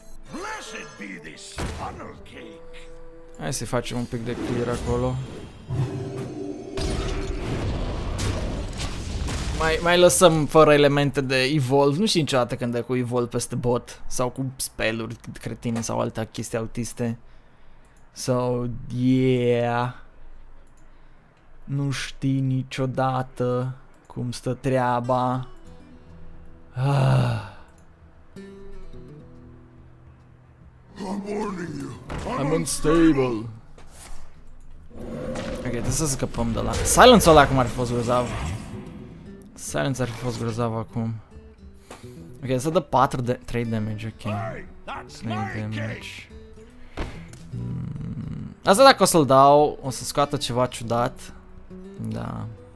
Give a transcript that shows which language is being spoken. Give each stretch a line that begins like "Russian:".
English: Blessed be this funnel cake.
Romanian: Hai să facem un pic de clear acolo. Mai lăsăm fără elemente de evolve. Nu știu niciodată când e cu evolve peste bot sau cu spell-uri cretine sau alte chestii autiste.
English: So, yeah.
Romanian: Nu știi niciodată cum stă treaba.
English: I'm warning you. I'm unstable.
Romanian: Ok, trebuie să scăpăm de la... Silence-ul ăla acum ar fi fost grozav. Silence ar fi fost grozav acum. Ok, să dă 4 de... 3 damage, ok. 3 damage. Asta dacă o să-l dau, o să scoată ceva ciudat. Da.